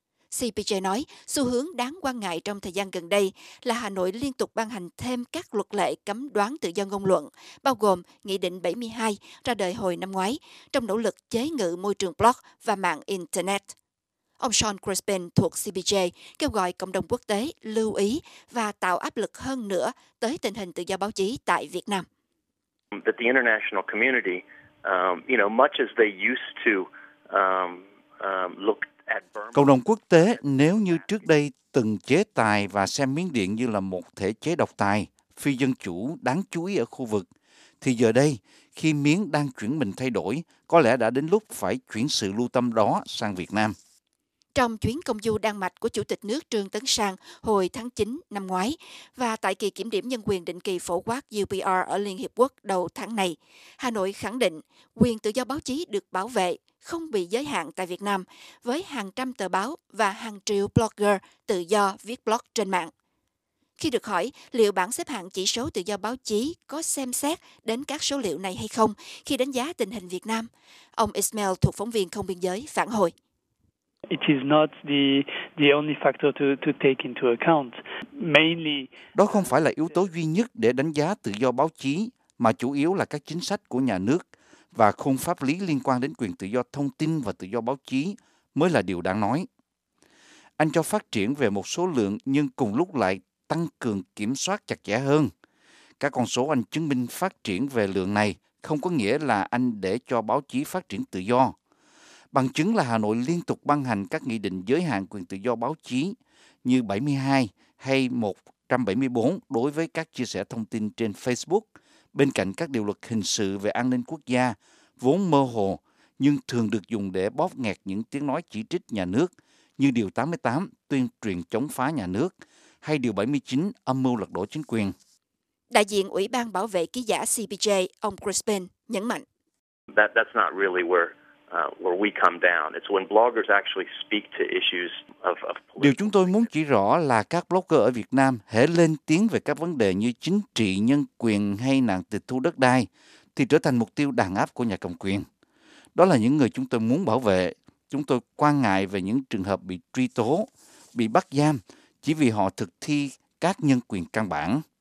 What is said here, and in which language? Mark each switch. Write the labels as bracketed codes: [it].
[vi] CPJ nói, xu hướng đáng quan ngại trong thời gian gần đây là Hà Nội liên tục ban hành thêm các luật lệ cấm đoán tự do ngôn luận, bao gồm Nghị định 72 ra đời hồi năm ngoái, trong nỗ lực chế ngự môi trường blog và mạng Internet. Ông Sean Crispin thuộc CPJ kêu gọi cộng đồng quốc tế lưu ý và tạo áp lực hơn nữa tới tình hình tự do báo chí tại Việt Nam. [en] But the international community, much as they used to look. [vi] Cộng đồng quốc tế nếu như trước đây từng chế tài và xem Miến Điện như là một thể chế độc tài, phi dân chủ, đáng chú ý ở khu vực, thì giờ đây, khi Miến đang chuyển mình thay đổi, có lẽ đã đến lúc phải chuyển sự lưu tâm đó sang Việt Nam. Trong chuyến công du Đan Mạch của Chủ tịch nước Trương Tấn Sang hồi tháng 9 năm ngoái và tại kỳ kiểm điểm nhân quyền định kỳ phổ quát UPR ở Liên Hiệp Quốc đầu tháng này, Hà Nội khẳng định quyền tự do báo chí được bảo vệ, không bị giới hạn tại Việt Nam, với hàng trăm tờ báo và hàng triệu blogger tự do viết blog trên mạng. Khi được hỏi liệu bảng xếp hạng chỉ số tự do báo chí có xem xét đến các số liệu này hay không khi đánh giá tình hình Việt Nam, ông Ismail thuộc phóng viên Không Biên Giới phản hồi. [en] It is not the only factor to take into account. Mainly. [vi] Đó không phải là yếu tố duy nhất để đánh giá tự do báo chí, mà chủ yếu là các chính sách của nhà nước và khung pháp lý liên quan đến quyền tự do thông tin và tự do báo chí mới là điều đáng nói. Anh cho phát triển về một số lượng nhưng cùng lúc lại tăng cường kiểm soát chặt chẽ hơn. Các con số anh chứng minh phát triển về lượng này không có nghĩa là anh để cho báo chí phát triển tự do. Bằng chứng là Hà Nội liên tục ban hành các nghị định giới hạn quyền tự do báo chí như 72 hay 174 đối với các chia sẻ thông tin trên Facebook, bên cạnh các điều luật hình sự về an ninh quốc gia, vốn mơ hồ nhưng thường được dùng để bóp nghẹt những tiếng nói chỉ trích nhà nước như Điều 88 tuyên truyền chống phá nhà nước hay Điều 79 âm mưu lật đổ chính quyền. Đại diện Ủy ban Bảo vệ Ký giả CPJ, ông Crispin, nhấn mạnh. [en] That's not really where we come down. It's when bloggers actually speak to issues of political. [vi] Điều chúng tôi muốn chỉ rõ là các blogger ở Việt Nam hễ lên tiếng về các vấn đề như chính trị, nhân quyền hay nạn tịch thu đất đai thì trở thành mục tiêu đàn áp của nhà cầm quyền. Đó là những người chúng tôi muốn bảo vệ. Chúng tôi quan ngại về những trường hợp bị truy tố, bị bắt giam chỉ vì họ thực thi các nhân quyền căn bản.